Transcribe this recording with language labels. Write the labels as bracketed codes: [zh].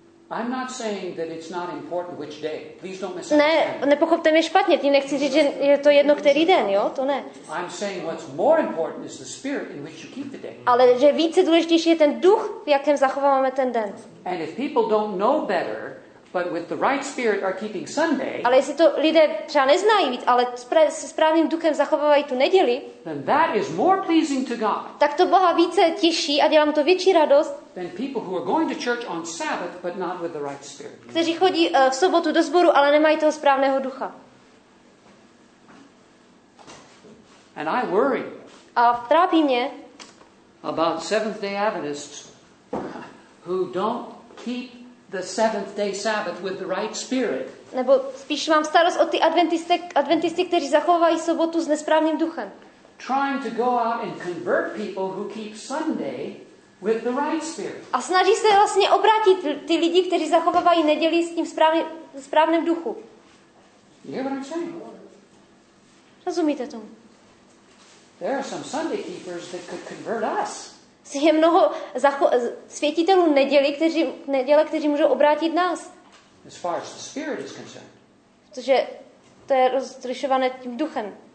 [en] I'm not saying that it's not important which day. Please don't miss. [cs] Ne, nepochopte mě špatně, tím nechci říct, že je to jedno který den, jo, to ne. [en] I'm saying what's more important is the spirit in which you keep the day. [cs] Ale že více důležitější je ten duch, v jakém zachováváme ten den. [en] And if people don't know better, but with the right spirit are keeping Sunday. [cs] Ale jestli to lidé třeba neznají víc, ale se správným duchem zachovávají tu neděli. [en] Then that is more pleasing to God. [cs] Tak to Boha více těší a dělám to větší radost. [en] Than people who are going to church on Sabbath but not with the right spirit. [cs] Kteří chodí v sobotu do sboru, ale nemají toho správného ducha. [en] And I worry. [cs] A trápí mě. [en] About Seventh Day Adventists who don't keep the seventh day Sabbath with the right spirit. [cs] Nebo spíš mám starost o ty adventisty, kteří zachovávají sobotu s nesprávným duchem. [en] Trying to go out and convert people who keep Sunday with the right spirit. [cs] A snaží se vlastně obrátit ty lidi, kteří zachovávají neděli s tím správným duchu. Rozumíte tomu? [en] There are some Sunday keepers that could convert us. [cs] Je mnoho světitelů neděli, kteří můžou obrátit nás. [en] As far as the spirit is concerned. [cs] Protože to je rozlišované tím duchem.